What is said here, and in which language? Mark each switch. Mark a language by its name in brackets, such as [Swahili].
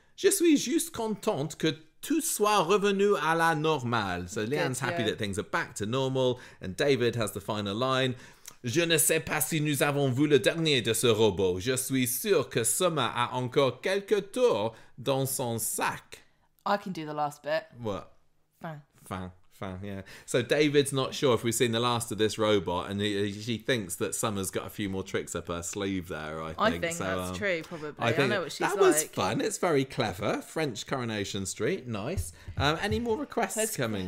[French] Je suis juste contente que tout soit revenu à la normale. [English] So Leanne's happy that things are back to normal. And David has the final line. [French] Je ne sais pas si nous avons vu le dernier de ce robot. Je suis sûr que Summer a encore quelques tours dans son sac. [English] I can do the last bit. What? [French] Fin. [English] Fin. Fan, yeah. So David's not sure if we've seen the last of this robot, and she thinks that Summer's got a few more tricks up her sleeve there, I think so, that's true, probably. I know what she's like. That was fun. It's very clever. French Coronation Street. Nice. Any more requests coming in?